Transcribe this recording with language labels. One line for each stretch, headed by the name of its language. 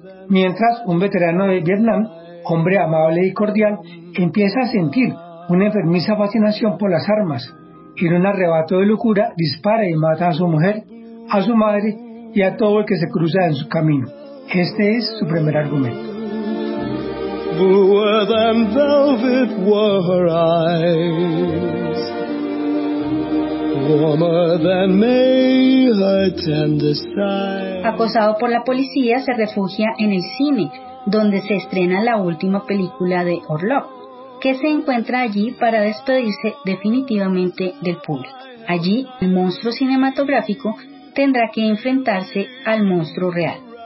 Spanish: Mientras, un veterano de Vietnam, hombre amable y cordial, empieza a sentir una enfermiza fascinación por las armas y en un arrebato de locura dispara y mata a su mujer, a su madre y a todo el que se cruza en su camino. Este es su primer argumento.
English: Bluer than velvet were her eyes. warmer than May, her tender style.
Spanish: Acosado por la policía, se refugia en el cine, donde se estrena la última película de Orlov, que se encuentra allí para despedirse definitivamente del público. Allí, el monstruo cinematográfico tendrá que enfrentarse al monstruo real.